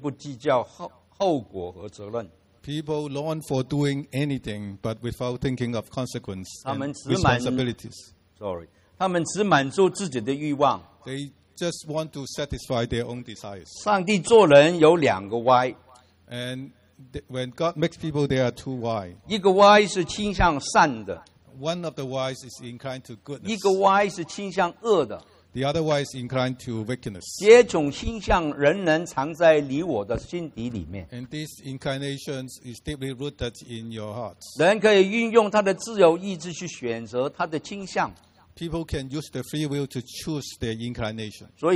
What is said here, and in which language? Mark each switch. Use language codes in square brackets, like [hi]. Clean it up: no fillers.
[zh] 人都向往凡事都可行，却不计较后果和责任。 [en] People long for doing anything, but without thinking of consequence and responsibilities. Sorry. They just want to satisfy their own desires. [zh] 上帝做人有两个歪。 [en] And when God makes people, there are two whys. [zh] 一个歪是倾向善的。 [en] One of the whys is inclined to goodness. [zh] 一个歪是倾向恶的。 [en] The other way is inclined to wickedness. [zh] 这种倾向仍然藏在你我的心底里面。 [en] And this inclination is deeply rooted in your hearts. [zh] 人可以运用他的自由意志去选择他的倾向。 [en] People can use the free will to choose their inclination.